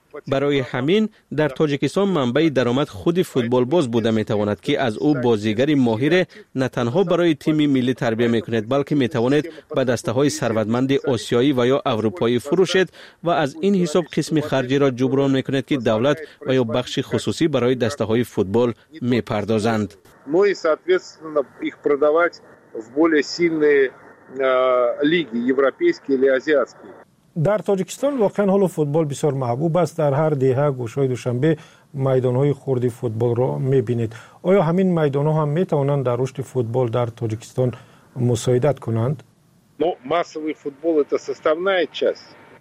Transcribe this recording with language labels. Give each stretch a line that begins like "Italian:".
Persian: برای همین در تاجیکستان منبع درآمد خود فوتبال باز بوده می تواند که از او بازیگری ماهر نه تنها برای تیم ملی تربیت می کند، بلکه می تواند به دسته های ثروتمند آسیایی و یا اروپایی فروشد و از این حساب قسم خرجی را جبران می کند که دولت و یا بخش خصوصی برای دسته های فوتبال می پردازند.
Russian: و соответственно их продавать в более сильные лиги европейские или азиатские.
Persian: در تاجیکستان واقعا حال فوتبال بسیار محبوب است. در هر دهه گوشای دوشنبه میدان های خردی فوتبال را میبینید. آیا همین میدان ها هم میتوانند در رشد فوتبال در تاجیکستان مساعدت کنند؟ ماسوی فوتبال ایتا سستمنای چست